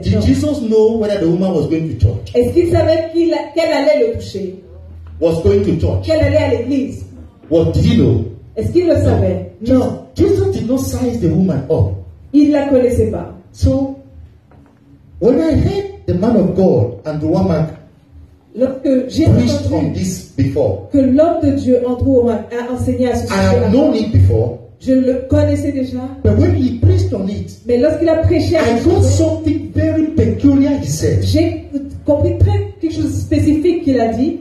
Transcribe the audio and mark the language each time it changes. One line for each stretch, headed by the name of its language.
English: Did Jesus know whether the woman was going to church?
French: Est-ce qu'il savait qu'elle allait le toucher?
English: Was going to church?
French: Qu'elle allait à l'église?
English: What did he know?
French: Est-ce qu'il le savait?
English: No. Jesus did not size the woman up.
French: Il la connaissait pas.
English: So, when I heard the man of God and the woman,
French: lorsque j'ai entendu que l'homme de Dieu a enseigné à ce sujet,
English: I have known it before.
French: Je le connaissais déjà.
English: But when he preached on it,
French: mais lorsqu'il a prêché,
English: I got something very peculiar. He said,
French: j'ai compris très quelque chose de spécifique qu'il a dit.